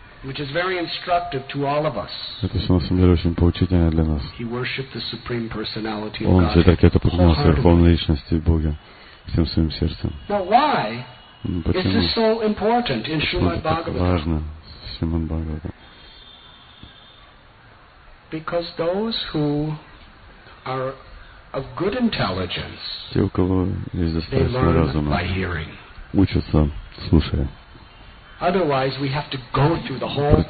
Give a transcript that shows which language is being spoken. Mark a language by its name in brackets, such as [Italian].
[English] which is very instructive to all of us. [Russian] Это на самом деле очень поучительно для нас. [English] He worshipped the supreme personality of God. [Russian] Он же так это поклонялся верховной личности Бога всем своим сердцем. [English] Now why? [Russian] Почему? [English] This is so important in Shrimad Bhagavatam. [Russian] Важно в Шримад Бхагаватам. [English] Because those who are of good intelligence, [Russian] те, у кого есть достаточно разума, учатся слушая. [English] Otherwise, we have to go through the whole